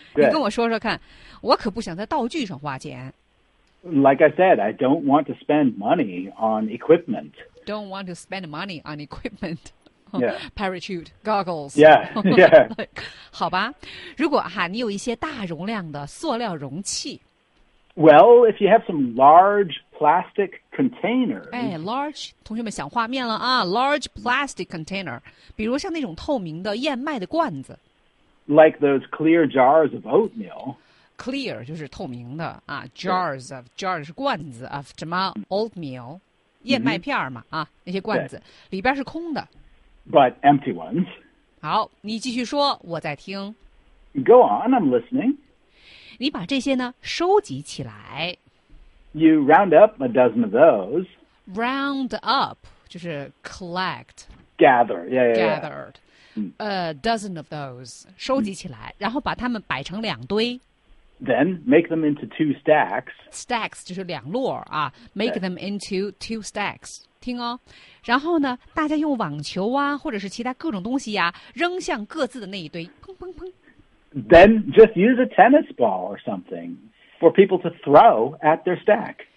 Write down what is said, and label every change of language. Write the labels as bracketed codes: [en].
[zh] 你跟我说说看我可不想在道具上花钱 [en] Like I said I don't want to spend money on equipment Don't want to spend money on equipment Yeah. Parachute, goggles. Yeah, yeah [zh] 好吧如果哈、啊、你有一些大容量的塑料容器 [en] Well, if you have some large plastic container. [zh] 哎 large, 同学们想画面了啊 [en] large plastic container. [zh] 比如像那种透明的燕麦的罐子。 [en] Like those clear jars of oatmeal. [zh] Clear, 就是透明的啊 [en] jars of, [zh] jars 是罐子 of 什么 oatmeal, 燕麦片嘛、mm-hmm. 啊那些罐子里边是空的。 [en] But empty ones. [zh] 好你继续说我在听。 [en] Go on, I'm listening. [zh] 你把这些呢收集起来。 [en] You round up a dozen of those. Round up 就是 collect, gather, yeah, yeah, [zh] gathered, [en] a dozen of those [zh] 收集起来，然后把它们摆成两堆。 [en] Then make them into two stacks. [zh] Stacks 就是两摞啊 ， [en] make them into two stacks. [zh] 听哦，然后呢，大家用网球啊，或者是其他各种东西呀、啊，扔向各自的那一堆，砰砰砰。 [en] Then just use a tennis ball or something for people to throw at their stack.